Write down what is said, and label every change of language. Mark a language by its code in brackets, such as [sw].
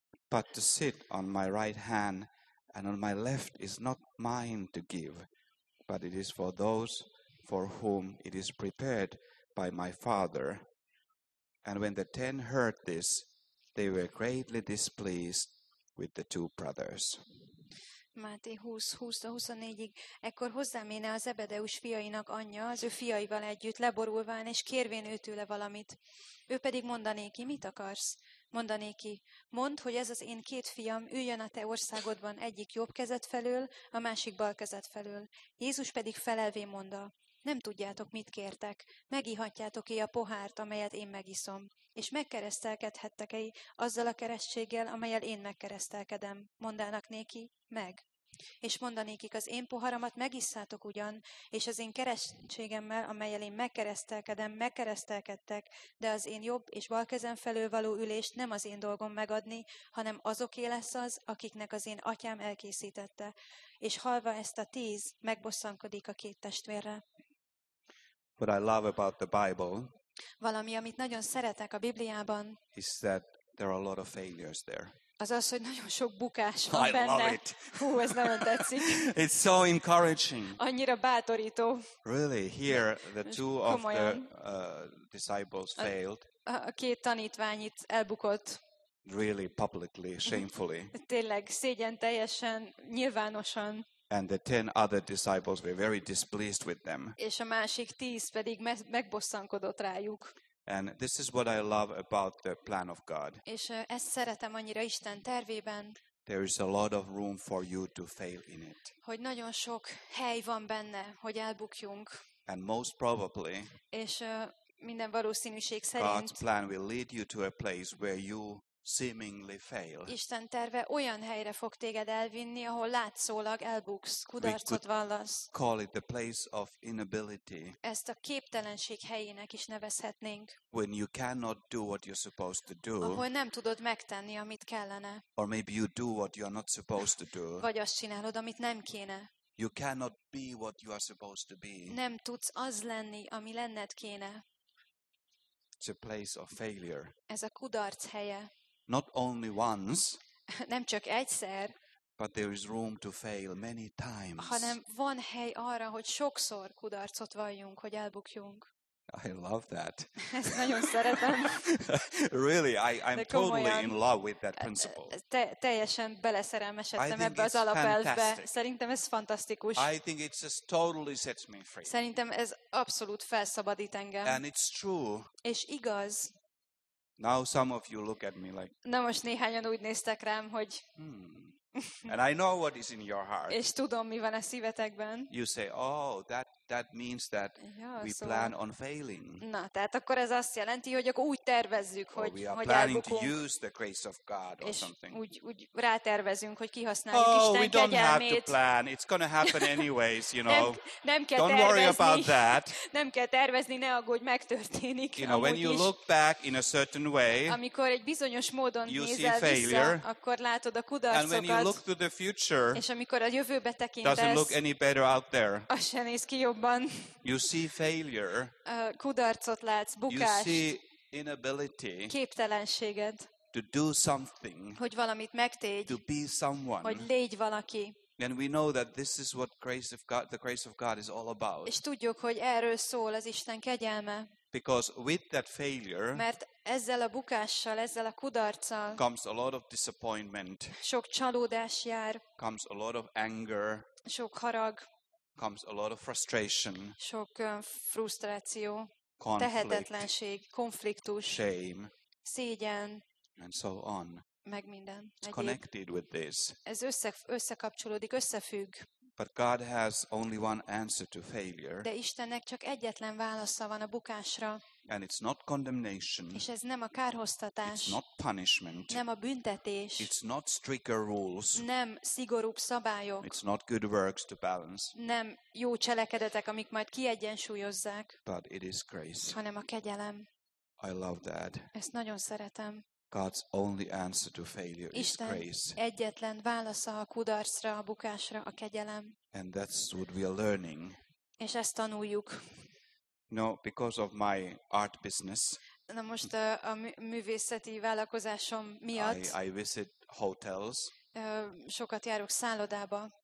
[en] But to sit on my right hand and on my left is not mine to give, but it is for those for whom it is prepared by my Father. And when the 10 heard this, they were greatly displeased with the two brothers. [hu] Máté 20-24-ig. Ekkor hozzáméne az Zebedeus fiainak anyja, az ő fiaival együtt, leborulván és kérvén ő tőle valamit. Ő pedig mondané ki, mit akarsz? Mondané ki, mondd, hogy ez az én két fiam üljön a te országodban egyik jobb kezed felől, a másik bal kezed felől. Jézus pedig felelvén mondta, nem tudjátok, mit kértek. Megihatjátok-e a pohárt, amelyet én megiszom? És megkeresztelkedhettek-e azzal a keresztséggel, amelyel én megkeresztelkedem? Mondának néki, meg. És mondanékik, az én poharamat megisszátok ugyan, és az én keresztségemmel, amelyel én megkeresztelkedem, megkeresztelkedtek, de az én jobb és bal kezem felől való ülést nem az én dolgom megadni, hanem azoké lesz az, akiknek az én atyám elkészítette. És hallva ezt a tíz, megbosszankodik a két testvérre. [en] What I love about the Bible, [hu] valami, amit nagyon szeretek a Bibliában, [en] is that there are a lot of failures there. [hu] Az az, hogy nagyon sok bukás van benne. [en] I love it. [hu] Hú, ez nagyon tetszik. [en] It's so encouraging. [hu] Annyira bátorító. [en] Really, here the two of the disciples failed. [hu] A két tanítvány itt elbukott. [en] Really publicly, shamefully. [hu] Tényleg szégyen teljesen, nyilvánosan. [en] And the 10 other disciples were very displeased with them. [hu] És a másik 10 pedig megbosszankodott rájuk. [en] And this is what I love about the plan of God. [hu] És ezt szeretem annyira Isten tervében. [en] There is a lot of room for you to fail in it. [hu] Hogy nagyon sok hely van benne, hogy elbukjunk. [en] And most probably. [hu] És minden valószínűség szerint. [en] God's plan will lead you to a place where you seemingly fail. [hu] Isten terve olyan helyre fog téged elvinni, ahol látszólag elbuksz, kudarcot vallasz. [en] Call it the place of inability. [hu] Ezt a képtelenség helyének is nevezhetnénk. [en] When you cannot do what you're supposed to do. [hu] Ahol nem tudod megtenni, amit kellene. [en] Or maybe you do what you're not supposed to do. [hu] Vagy azt csinálod, amit nem kéne. [en] You cannot be what you are supposed to be. [hu] Nem tudsz az lenni, ami lenned kéne. [en] It's a place of failure. [hu] Ez a kudarc helye. [en] Not only once, [hu] nem csak egyszer, [en] but there is room to fail many times. [hu] Hanem van hely arra, hogy sokszor kudarcot valljunk, hogy elbukjunk. [en] I love that. [hu] Ezt nagyon szeretem. [en] Really, I'm totally in love with that principle. [hu] Teljesen beleszerelmesedtem ebbe az alapelvbe. Szerintem ez fantasztikus. [en] I think it just totally sets me free. [hu] Szerintem ez abszolút felszabadít engem. [en] And it's true. [hu] És igaz. [en] Now some of you look at me like. [hu] Na most néhányan úgy néztek rám, hogy. [en] And I know what is in your heart. [hu] És tudom, mi van a szívetekben. [en] You say, oh, that means that ja, we plan on failing. [hu] Na, tehát akkor ez azt jelenti, hogy akkor úgy tervezzük, hogy elbukunk. [en] We are planning to use the grace of God or [hu] és [en] something. [hu] És úgy rátervezünk, hogy kihasználjuk Isten kegyelmét. [en] Oh, we don't have to plan. It's going to happen anyways, you know. [hu] Nem kell [en] don't [hu] tervezni. [en] Worry about that. [hu] Nem kell tervezni, ne aggódj, megtörténik. [en] You know, when you look back in a certain way, [hu] amikor egy bizonyos módon nézel [en] failure, [hu] vissza, akkor látod a kudarcokat. [en] And when you look to the future, [hu] és amikor a jövőbe tekintesz, [en] doesn't look any better out there. [hu] Az se néz ki jobban. [en] You see failure. [hu] Kudarcot látsz, bukást. [en] You see inability. [hu] Képtelenséged. [en] To do something. [hu] Hogy valamit megtégy. [en] To be someone. [hu] Hogy légy valaki. [en] And we know that this is what grace of God, the grace of God is all about. [hu] És tudjuk, hogy erről szól az Isten kegyelme. [en] Because with that failure. [hu] Mert ezzel a bukással, ezzel a kudarccal. [en] Comes a lot of disappointment. [hu] Sok csalódás jár. [en] Comes a lot of anger. [hu] Sok harag. [en] Comes a lot of frustration. [hu] Sok frusztráció, [en] conflict, [hu] tehetetlenség, konfliktus, [en] shame, [hu] szégyen, [en] and so on. [hu] Meg minden. [en] It's connected with this. [hu] Ez összekapcsolódik, összefügg. [en] But God has only one answer to failure. [hu] De Istennek csak egyetlen válasza van a bukásra. [en] And it's not condemnation. [hu] És ez nem a kárhoztatás. [en] It's not punishment. [hu] Nem a büntetés. [en] It's not stricter rules. [hu] Nem szigorúbb szabályok. [en] It's not good works to balance. [hu] Nem jó cselekedetek, amik majd kiegyensúlyozzák. [en] But it is grace. [hu] Hanem a kegyelem. [en] I love that. [hu] Ezt nagyon szeretem. [en] God's only answer to failure is grace. [hu] Isten egyetlen válasza a kudarcra, a bukásra, a kegyelem. [en] And that's what we are learning. [hu] És ezt tanuljuk. [en] No, because of my art business. [hu] Na most a művészeti vállalkozásom miatt. [en] I visit hotels. [hu] Sokat járok szállodába.